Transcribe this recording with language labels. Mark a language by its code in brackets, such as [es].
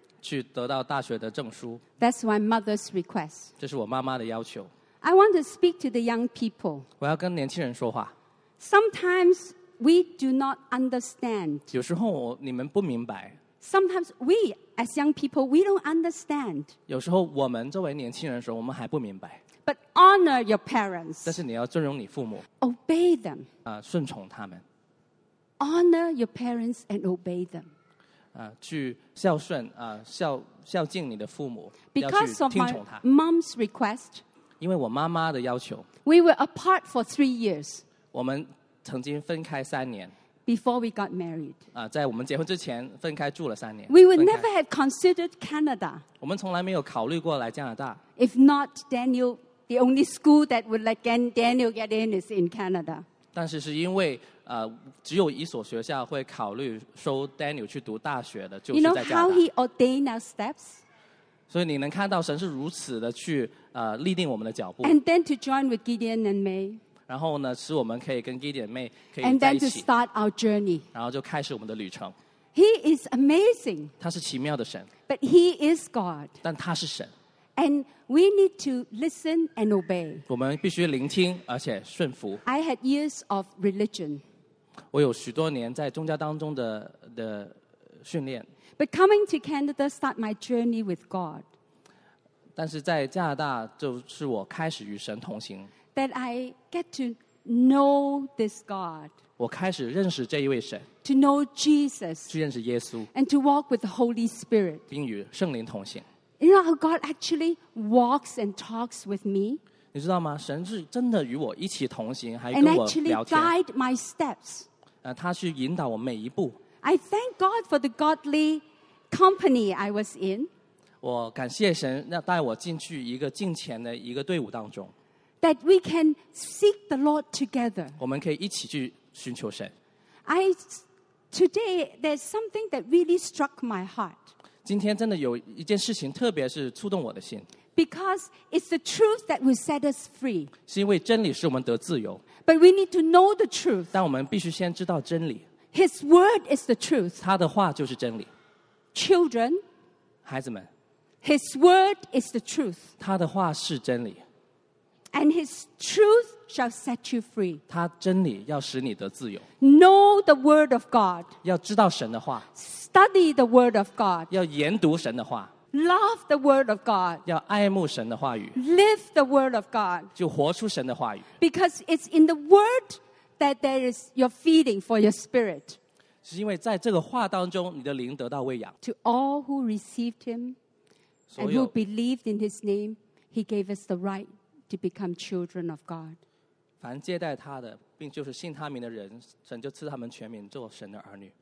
[zh] 去得到大学的证书。 [en] That's my mother's request. [zh] 这是我妈妈的要求。 [en] I want to speak to the young people. [zh] 我要跟年轻人说话。 [en] Sometimes we do not understand. [zh] 有时候你们不明白。 [en] Sometimes we, as young people, we don't understand. [zh] 有时候我们作为年轻人的时候，我们还不明白。 [en] But honor your parents. [zh] 但是你要尊荣你父母。 [en] Obey them. [zh] 顺从他们。 [en] Honor your parents and obey them. [zh] 去孝顺孝敬你的父母。 [en] Because of my mom's request. [zh] 因为我妈妈的要求。 [en] We were apart for 3 years. [zh] 我们曾经分开三年。 [en] Before we got married. [zh] 在我们结婚之前分开住了三年。 [en] We would never have considered Canada. [zh] 我们从来没有考虑过来加拿大。 [en] If not Daniel, the only school that would let Daniel get in is in Canada. [zh] 但是是因为只有一所学校会考虑收 Daniel 去读大学的，就是在加拿大。 [en] You know how he ordained our steps? [zh] 所以你能看到神是如此的去立定我们的脚步。 [en] And then to join with Gideon and May. [zh] 然后呢，使我们可以跟 Gideon 妹可以在一起。 [en] And then to start our journey. [zh] 然后就开始我们的旅程。 [en] He is amazing. [zh] 他是奇妙的神。 [en] But he is God. [zh] 但他是神。 [en] And we need to listen and obey. [zh] 我们必须聆听而且顺服。 [en] I had years of religion. [zh] 我有许多年在宗教当中的训练。 [en] But coming to Canada start my journey with God. [zh] 但是在加拿大就是我开始与神同行。 [en] That I get to know this God. [zh] 我开始认识这一位神。 [en] To know Jesus. [zh] 去认识耶稣。 [en] And to walk with the Holy Spirit. [zh] 并与圣灵同行。 [en] You know how God actually walks and talks with me? [zh] 你知道吗？神是真的与我一起同行，还跟我聊天。 [en] And actually guide my steps. [zh] 他去引导我每一步。 [en] I thank God for the godly company I was in. [zh] 我感谢神带我进去一个敬虔的一个队伍当中。 [en] That we can seek the Lord together. [zh] 我们可以一起去寻求神。 [en] Today there's something that really struck my heart. [zh] 今天真的有一件事情特别是触动我的心。 [en] Because it's the truth that will set us free. [zh] 是因为真理使我们得自由。 [en] But we need to know the truth. [zh] 但我们必须先知道真理。 [en] His word is the truth. [zh] 他的话就是真理。 [en] Children, [zh] 孩子们。 [en] His word is the truth. [zh] 他的话是真理。 [en] And his truth shall set you free. [zh] 他真理要使你得自由。 [en] Know the word of God. [zh] 要知道神的话。 [en] Study the word of God. [zh] 要研读神的话。 [en] Love the word of God. [zh] 要爱慕神的话语。 [en] Live the word of God. [zh] 就活出神的话语。 [en] Because it's in the word that there is your feeding for your spirit. [zh] 是因为在这个话当中你的灵得到喂养。 [en] To all who received him and who believed in his name, he gave us the right to become children of God. [zh] 凡接待他的并就是信他名的人神就赐他们权柄做神的儿女。